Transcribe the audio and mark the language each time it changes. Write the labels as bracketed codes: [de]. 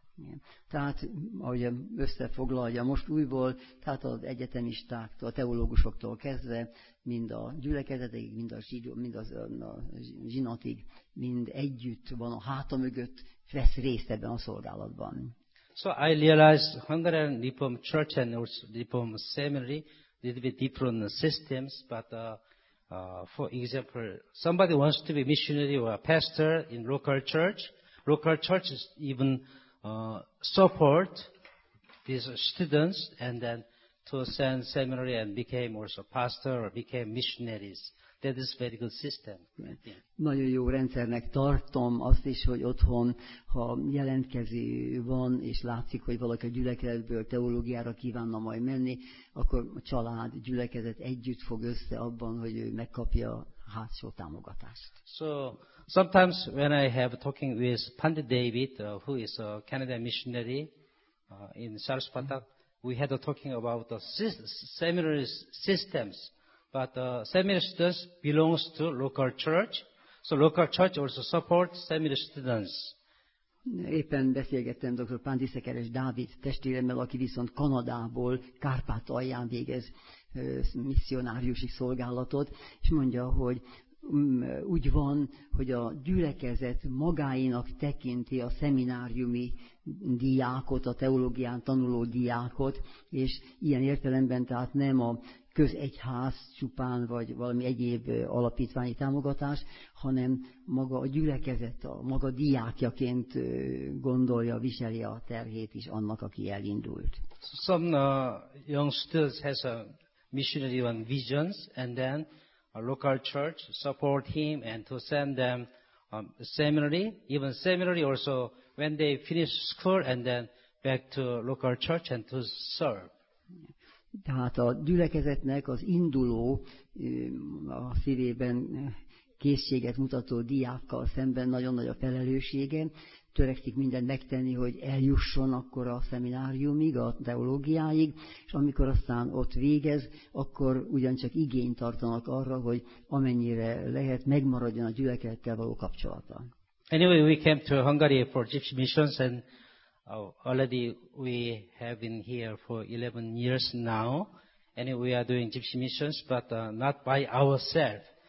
[hu] Igen. Tehát, ahogy összefoglalja most újból, tehát az egyetemistáktól, a teológusoktól kezdve, mind a gyülekezetig, mind a zsinatig, mind együtt van a háta mögött, vesz részt ebben a szolgálatban. [en] So I realized Hungarian Nippon Church and also Nippon Seminary, little bit different systems, but for example, somebody wants to be missionary or a pastor in local church, local churches even support these students and then to send seminary and became also pastor or became missionaries. That is very good system. Yeah. [hu] Nagyon jó rendszernek tartom azt is, hogy otthon, ha jelentkező van, és látszik, hogy valaki a gyülekezetből teológiára kívánna majd menni, akkor a család, gyülekezet együtt fog össze abban, hogy ő megkapja hátsó támogatást. [en] So, sometimes when I have talking with Pandit David, who is a Canadian missionary in Sarasvata, we had a talking about the seminary systems. But seminary students belongs to local church, so local church also supports seminary students. [hu] Éppen beszélgettem Dr. Pandi Szekeres Dávid testvéremmel, aki viszont Kanadából, Kárpátalján végez misszionáriusi szolgálatot, és mondja, hogy úgy van, hogy a gyülekezet magáinak tekinti a szemináriumi diákot, a teológián tanuló diákot, és ilyen értelemben tehát nem a közegyház csupán, vagy valami egyéb alapítványi támogatás, hanem maga a gyülekezet, a maga diákjaként gondolja, viseli a terhét is annak, aki elindult. [en] Some young students has a missionary visions, and then a local church support him and to send them seminary, even seminary also when they finish school and then back to local church and to serve. [hu] Tehát a gyülekezetnek az induló, a szívében készséget mutató diákkal szemben nagyon nagy a felelőssége. Törekszik mindent megtenni, hogy eljusson akkor a szemináriumig, a teológiáig, és amikor aztán ott végez, akkor ugyancsak igényt tartanak arra, hogy amennyire lehet, megmaradjon a gyülekezettel való kapcsolata. [en] Anyway, we came to Hungary for Gypsy Missions and already we have been here for 11 years now, and we are doing Gypsy Missions, but not by ourselves.